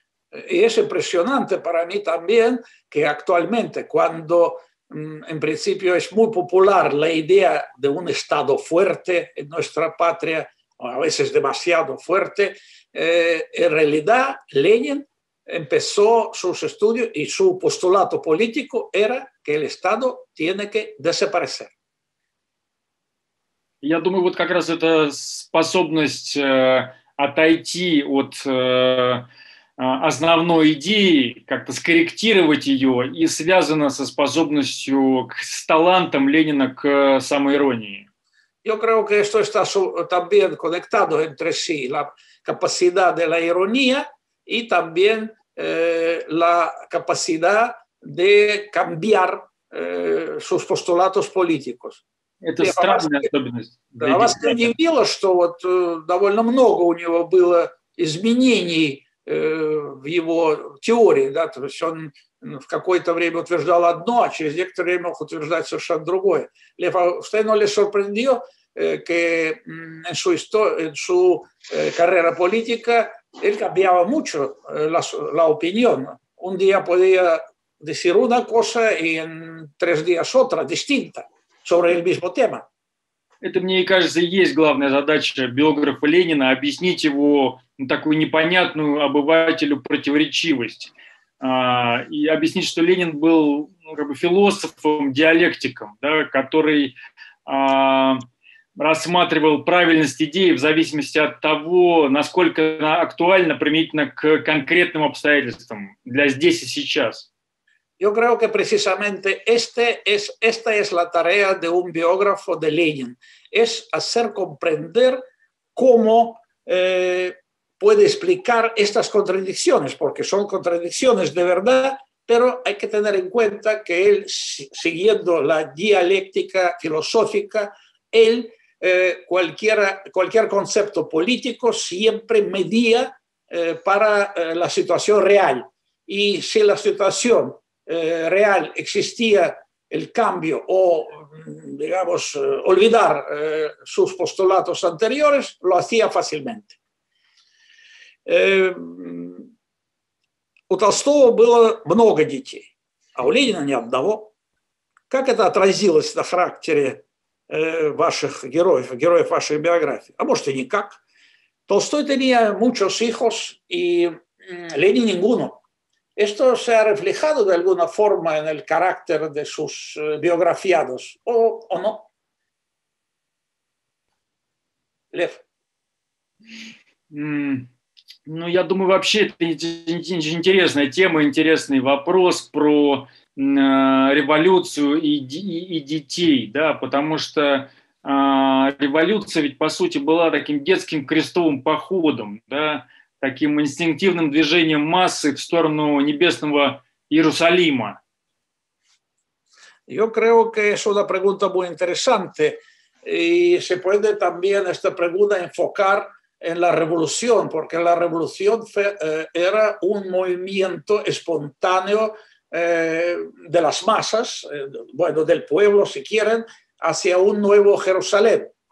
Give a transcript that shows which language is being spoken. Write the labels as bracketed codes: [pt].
[ru] И это [es] impresionante para mí también, que actualmente cuando en principio es muy popular la idea de un Estado fuerte en nuestra patria, a veces demasiado fuerte. En realidad, Lenin empezó sus estudios y su postulado político era que el Estado tiene que desaparecer. [ru] Я думаю, вот как раз эта способность отойти от основной идеи, как-то скорректировать ее, и связано со способностью, с талантом Ленина к самоиронии. [es] Yo creo que esto está también conectado entre sí, la capacidad de la ironía y también la capacidad de cambiar sus postulatos políticos. [ru] Это странная особенность. Да, вас удивило, что вот довольно много у него было изменений в его теории, да, то есть он в какое-то время утверждал одно, а через некоторое время мог утверждать совершенно другое. [es] Лев, [ru] а что его [es] surprendió, que en su carrera política él cambiaba mucho la opinión. Un día podía decir una cosa y en tres días otra distinta sobre el mismo tema. [ru] Это, мне кажется, и есть главная задача биографа Ленина – объяснить его такую непонятную обывателю противоречивость. И объяснить, что Ленин был как бы философом, диалектиком, да, который рассматривал правильность идеи в зависимости от того, насколько она актуальна применительно к конкретным обстоятельствам для здесь и сейчас. [es] Yo creo que precisamente esta es la tarea de un biógrafo de Lenin. Es hacer comprender cómo puede explicar estas contradicciones, porque son contradicciones de verdad, pero hay que tener en cuenta que él, siguiendo la dialéctica filosófica, él, cualquier concepto político siempre medía para la situación real. Y si la situación real existía el cambio o, digamos, olvidar sus postulados anteriores, lo hacía fácilmente. [ru] У Толстого было много детей, а у Ленина ни одного. Как это отразилось на характере ваших героев, героев вашей биографии? А может и никак. [es] Толстой tenía muchos hijos y Ленин ninguno. ¿Esto se ha reflejado de alguna forma en el carácter de sus biografiados o no? [ru] Лев. Ну, я думаю, вообще это интересная тема, интересный вопрос про революцию и детей, да, потому что революция ведь, по сути, была таким детским крестовым походом, да, таким инстинктивным движением массы в сторону небесного Иерусалима. [es] Yo creo que es una pregunta muy interesante y se puede también esta pregunta enfocar en la revolución, porque la revolución era un movimiento espontáneo de las masas, bueno, del pueblo, si quieren, hacia un nuevo Jerusalén.